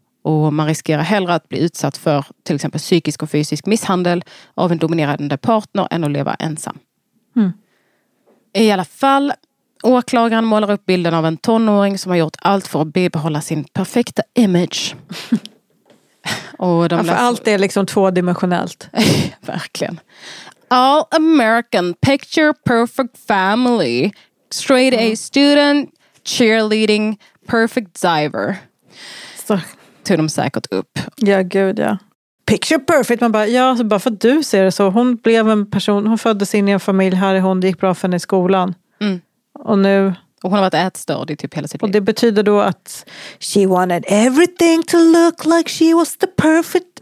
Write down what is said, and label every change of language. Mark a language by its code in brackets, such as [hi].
[sv] Och man riskerar hellre att bli utsatt för till exempel psykisk och fysisk misshandel av en dominerande partner än att leva ensam. Mm. I alla fall, åklagaren målar upp bilden av en tonåring som har gjort allt för att bibehålla sin perfekta image. Och de för allt är liksom tvådimensionellt. Verkligen. [en] All American, picture perfect family, straight A student, cheerleading, perfect diver. [sv] Så tog de säkert upp. Ja, gud ja. Picture perfect, man bara, ja, så bara för att du ser det så. Hon blev en person, hon föddes in i en familj, här i hon, det gick bra för henne i skolan. Mm. Och nu... Och hon har varit ätstörd i typ hela sitt liv. Och det betyder då att [en] she wanted everything to look like she was the perfect.